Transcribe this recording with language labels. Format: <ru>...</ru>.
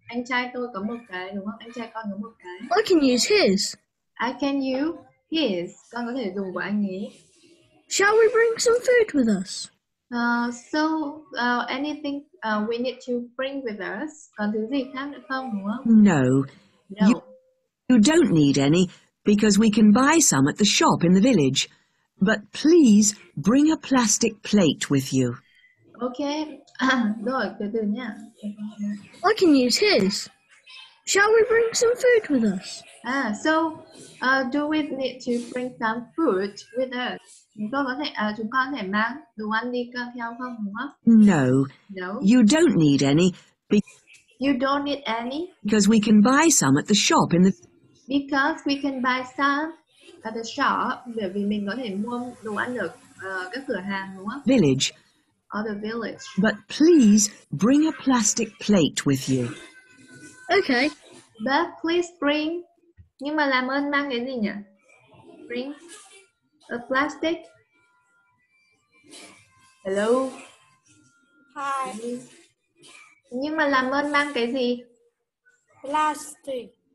<vi>Anh trai tôi có một cái, đúng không? Anh trai con có một cái.</vi> <en>I can use his. I can use his.</en> <vi>Con có thể dùng của anh ấy.</vi> <en>Shall we bring some food with us? Anything we need to bring with us?</en> <vi>Còn thứ gì khác nữa không, đúng không?</vi> <en>No. No. You don't need any, because we can buy some at the shop in the village. But please bring a plastic plate with you. Okay.</en> <vi>Rồi, từ từ nha.</vi> <en>I can use his. Shall we bring some food with us? Do we need to bring some food with us?</en> <vi>Chúng con có thể mang đồ ăn đi theo không, đúng không?</vi> <en>No. No. You don't need any. You don't need any? Because we can buy some at the shop in the... Because we can buy some at the shop,</en> <vi>bởi vì mình có thể mua đồ ăn ở các cửa hàng, đúng không?</vi> <en>Village. Or the village. But please bring a plastic plate with you. Okay. But please bring...</en> <vi>Nhưng mà làm ơn mang cái gì nhỉ?</vi> <en>Bring a plastic... Hello? Hi.</en> <vi>Nhưng mà làm ơn mang cái gì?</vi> <en>Plastic.</en>